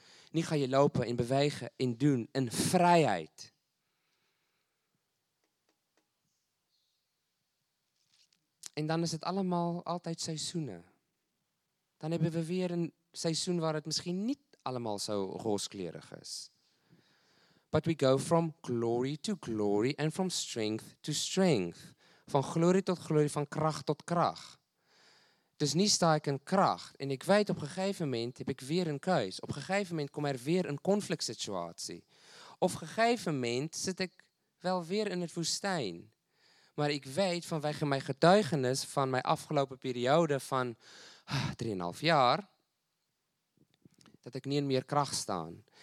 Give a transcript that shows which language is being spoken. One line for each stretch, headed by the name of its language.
Dutch: Nu ga je lopen en bewegen en doen in vrijheid. En dan is het allemaal altijd seizoenen. Dan hebben we weer een seizoen waar het misschien niet allemaal zo rooskleurig is.
English: But we go from glory to glory and from strength to strength.
Dutch: Van glorie tot glorie, van kracht tot kracht. Dus nu sta ik in kracht. En ik weet op een gegeven moment heb ik weer een keus. Op een gegeven moment komt er weer een conflict situatie. Op een gegeven moment zit ik wel weer in het woestijn. Maar ik weet vanwege mijn getuigenis van mijn afgelopen periode van 3,5 jaar, dat ik niet meer kracht staan.